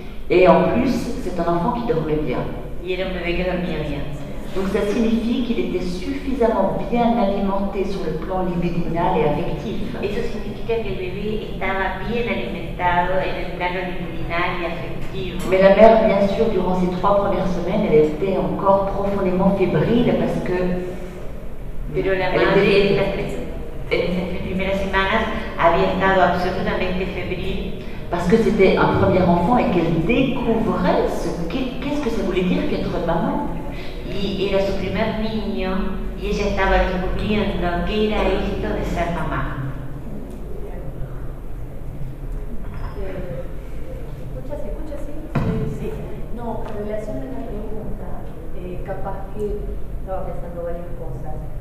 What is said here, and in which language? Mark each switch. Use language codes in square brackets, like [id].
[fr] Et en plus, c'est un enfant qui dormait bien. [es] Y era un bebé que dormía bien. [fr] Donc ça signifie qu'il était suffisamment bien alimenté sur le plan libidinal et affectif. [es] Eso significa que el bebé estaba bien alimentado en el plano libidinal y afectivo. [fr] Mais la mère, bien sûr, durant ces 3 premières semaines, elle était encore profondément fébrile parce que... [es] Pero la madre, en esas primeras semanas, había estado absolutamente febril. [fr] Parce que c'était un premier enfant et qu'elle découvrait qu'est-ce que ça voulait dire qu'être maman. [es] Y era su primer niño y ella estaba descubriendo qué era esto de ser mamá. ¿Escucha, sí? Sí. No, en relación a la pregunta, capaz que estaba pensando varias cosas.